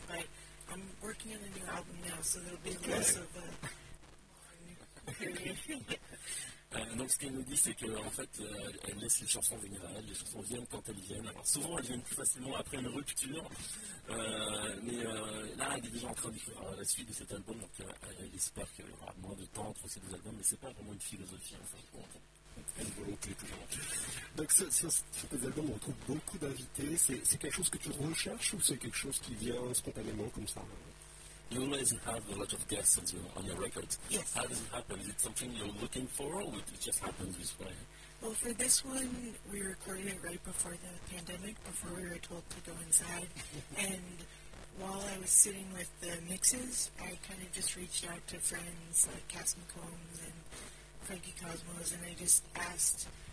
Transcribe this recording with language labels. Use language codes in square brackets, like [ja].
[en] But I'm working on a new album now, so there'll be less of a [fr] Donc ce qu'elle nous dit, c'est qu'en fait, elle laisse les chansons venir à elle, les chansons viennent quand elles viennent. Alors souvent, elles viennent plus facilement après une rupture, mais là, elle est déjà en train d'écrire la suite de cet album, donc elle espère qu'il y aura moins de temps entre ces deux albums, mais c'est pas vraiment une philosophie, en fin de compte. Une volonté, toujours. Donc sur tes albums, on trouve beaucoup d'invités. C'est quelque chose que tu recherches ou c'est quelque chose qui vient spontanément comme ça? [en] You always have a lot of guests on your records. Yes. How does it happen? Is it something you're looking for or it just happens this way? Well, for this one, we recorded it right before the pandemic, before we were told to go inside. And while I was sitting with the mixes, I kind of just reached out to friends like Cass McCombs and Frankie Cosmos, and I just asked.